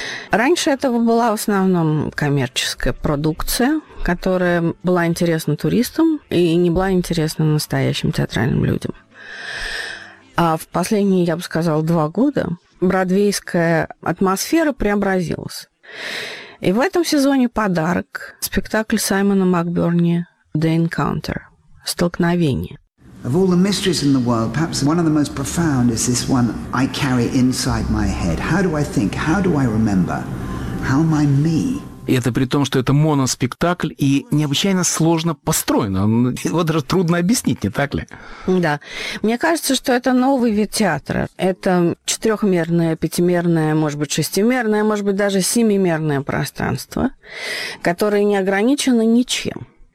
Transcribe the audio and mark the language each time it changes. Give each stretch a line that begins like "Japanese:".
Russian: Раньше этого была в основном коммерческая продукция, которая была интересна туристам и не была интересна настоящим театральным людям. А в последние, я бы сказала, 2 года бродвейская атмосфера преобразилась. И в этом сезоне подарок – спектакль Саймона Макберни «The Encounter» – «Столкновение».
English: Of all the mysteries in the world, perhaps one of the most profound is this one I carry inside my head. How do I think? How do I remember? How am I me?
Russian: И это при том, что это моноспектакль и необычайно сложно построен. Его даже трудно объяснить, не так ли? Да. Мне кажется, что это новый вид театра. Это 4-мерное, 5-мерное, может быть, 6-мерное, может быть, даже 7-мерное пространство, которое не ограничено ничем.